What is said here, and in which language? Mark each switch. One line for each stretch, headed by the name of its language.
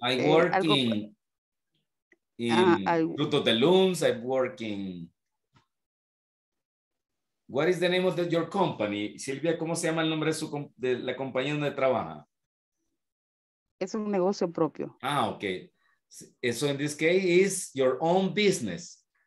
English: I work algo, in Fruit of the Looms. I work in. What is the name of your company, Silvia?
Spanish: ¿Cómo se llama el nombre de la compañía donde trabaja? Es un negocio propio.
English: Ah, okay. So in this case is your own business.